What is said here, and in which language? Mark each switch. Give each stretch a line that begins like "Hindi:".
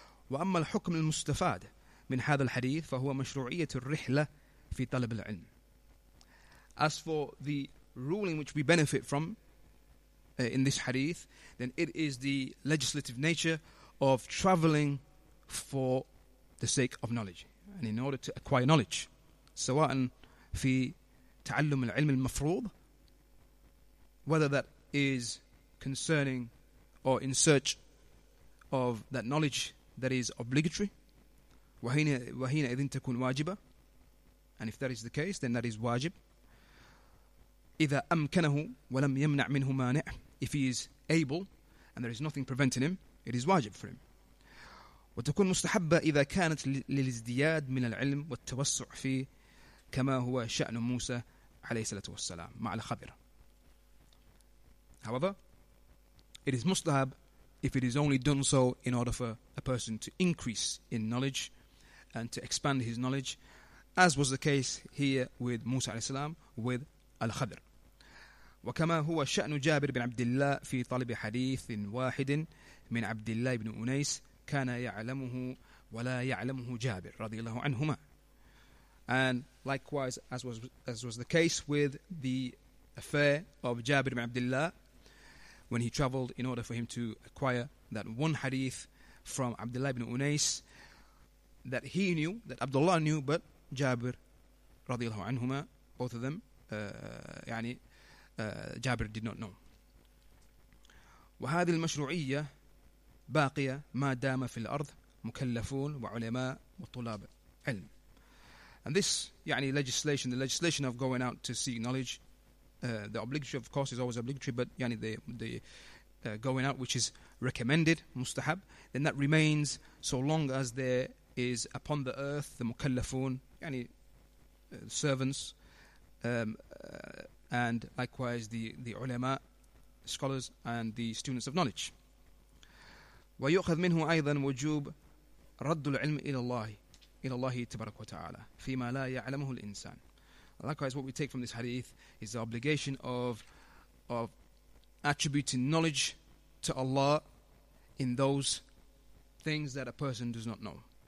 Arabic: وأما الحكم المستفاد من هذا الحديث فهو مشروعية الرحلة في طلب العلم.
English: As for the ruling which we benefit from in this hadith, then it is the legislative nature of traveling for the sake of knowledge, and in order to acquire knowledge.
Arabic: سواء في تعلم العلم المفروض,
English: whether that is concerning or in search of that knowledge that is obligatory,
Arabic: وهنا إذن تكون واجبة,
English: and if that is the case, then that is wajib.
Arabic: إذا أمكنه ولم يمنع منه مانع,
English: if he is able and there is nothing preventing him, it is wajib for him.
Arabic: وتكون مستحبة إذا كانت للازدياد من العلم والتوسع فيه كما هو شأن موسى عليه الصلاة والسلام مع الخبر.
English: However, it is mustahab if it is only done so in order for a person to increase in knowledge and to expand his knowledge, as was the case here with موسى عليه السلام with الخبر.
Arabic: وكما هو شأن جابر بن عبد الله في طلب حديث واحد من عبد الله بن أنيس كان يعلمه ولا يعلمه جابر رضي الله عنهما.
English: And likewise, as was the case with the affair of Jabir ibn Abdullah, when he travelled in order for him to acquire that one hadith from Abdullah ibn Unais, that he knew, that Abdullah knew, but Jabir radiallahu anhuma, both of them, Jabir did not know.
Arabic: وهذه المشروعية باقية ما دام في الأرض مكلفون وعلماء وطلاب علم.
English: And this, يعني legislation, the legislation of going out to seek knowledge, the obligatory, of course, is always obligatory, but يعني the going out, which is recommended, مستحب, then that remains so long as there is upon the earth the مكلفون, يعني servants, and likewise the ulama, scholars, and the students of knowledge.
Arabic: ويؤخذ منه أيضا وجوب رد العلم إلى الله. إلى الله تبارك وتعالى فيما لا يعلمه الإنسان.
English: Likewise, what we take from this hadith is the obligation of attributing knowledge to Allah in those things that a person does not know.